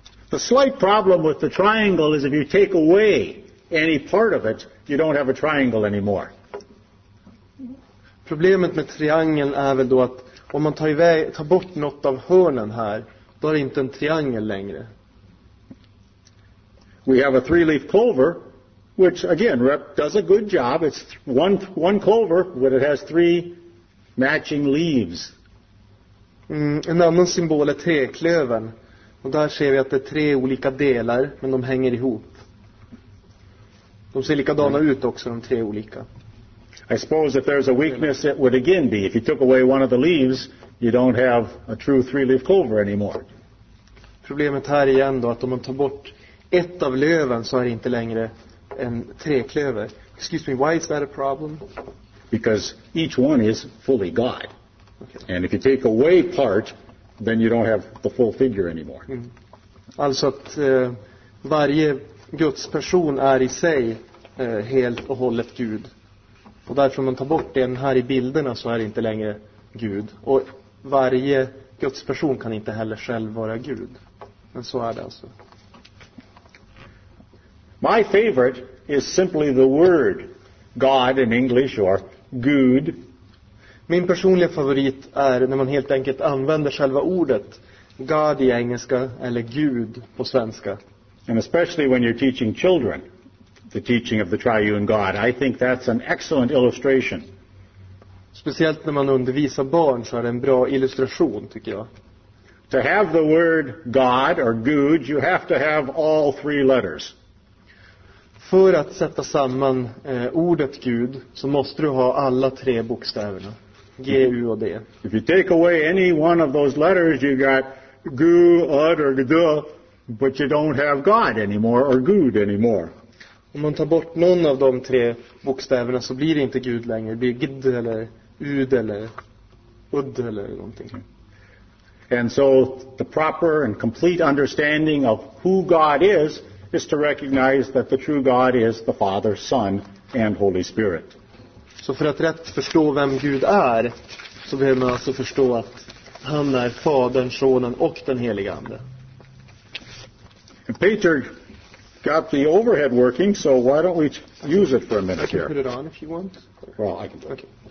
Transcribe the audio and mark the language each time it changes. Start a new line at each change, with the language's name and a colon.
English: The slight problem with the triangle is if you take away any part of it, you don't have a triangle anymore.
Swedish: Problemet med triangeln är väl då att om man tar bort något av hörnen här, då är det inte en triangel längre.
English: We have a three-leaf clover, which again does a good job. It's one clover, but it has three matching leaves.
Swedish: En annan symbol är treklövern, och där ser vi att det är tre olika delar, men de hänger ihop. De ser likadana ut också, de tre olika.
English: I suppose if there's a weakness, it would again be if you took away one of the leaves, you don't have a true three-leaf clover anymore.
Swedish: Problemet här igen då, att om man tar bort ett av löven, så är det inte längre en treklöver.
English: Excuse me, why is that a problem? Because each one is fully God. Okay. And if you take away part, then you don't have the full figure anymore.
Swedish: Alltså att varje Guds person är i sig helt och hållet Gud. Och därför man tar bort den här i bilderna, så är det inte längre Gud. Och varje Guds person kan inte heller själv vara Gud. Men så är det alltså.
English: My favorite is simply the word God in English or Gud.
Swedish: Min personliga favorit är när man helt enkelt använder själva ordet God i engelska eller Gud på svenska.
English: And especially when you're teaching children the teaching of the triune God. I think that's an excellent illustration.
Swedish: Speciellt när man undervisar barn, så är det en bra illustration, tycker jag.
English: To have the word God or Gud, you have to have all three letters.
Swedish: För att sätta samman ordet Gud, så måste du ha alla tre bokstäverna. G, U och D.
English: If you take away any one of those letters, you got Gud, Ud or Gud, but you don't have God anymore or Gud anymore.
Swedish: Om man tar bort någon av de tre bokstäverna, så blir det inte Gud längre. Det blir Gud eller Ud eller Ud eller någonting.
English: And so the proper and complete understanding of who God is to recognize that the true God is the Father, Son and Holy Spirit.
Swedish: Så för att rätt förstå vem Gud är, så behöver man alltså förstå att han är Fadern, Sonen och den helige Ande.
English: And Peter got the overhead working, so why don't we use it for a minute here? I can put it on if you want. Well, I can do it. Okay.